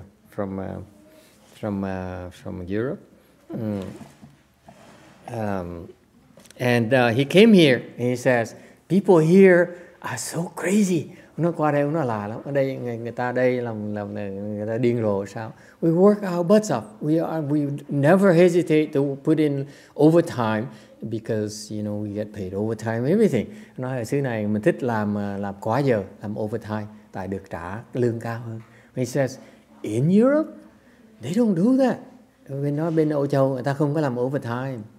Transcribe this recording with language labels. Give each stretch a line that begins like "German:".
English: from Europe, he came here and he says people here are so crazy.
Vietnamese: Nó qua đây nó lạ lắm. Ở đây người ta đây làm người ta điên rồ sao?
English: We work our butts off. We never hesitate to put in overtime because you know we get paid overtime everything.
Vietnamese: Nói ở xứ này mình thích làm quá giờ, làm overtime. Tại được trả lương cao hơn.
English: He says, in Europe, they don't do that.
Vietnamese: Bên nói bên Âu Châu, người ta không có làm overtime.